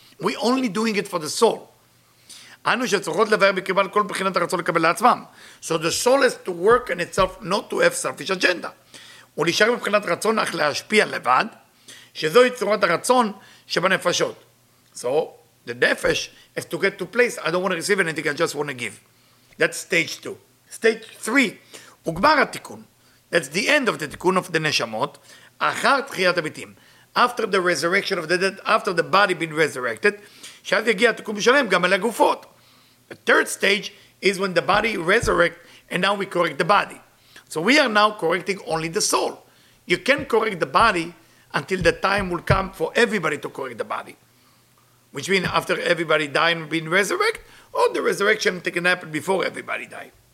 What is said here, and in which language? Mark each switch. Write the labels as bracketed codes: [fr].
[en] We're only doing it for the soul. So the soul has to work on itself, not to have selfish agenda. [he] ולשאר מבחינת רצון אך להשפיע לבד, שזו יצורת הרצון שבנפשות. [en] So, the nefesh has to get to place. I don't want to receive anything, I just want to give. That's stage two. Stage three, [he] וגמר התיקון. [en] That's the end of the תיקון of the נשמות, [he] אחר תחיית הביתים. [en] After the resurrection of the dead, after the body been resurrected, [he] שאז יגיע התיקון בשלם גם על הגופות. [en] The third stage is when the body resurrect, and now we correct the body. So we are now correcting only the soul. You can't correct the body until the time will come for everybody to correct the body. Which means after everybody died and been resurrected, or the resurrection can happen before everybody died.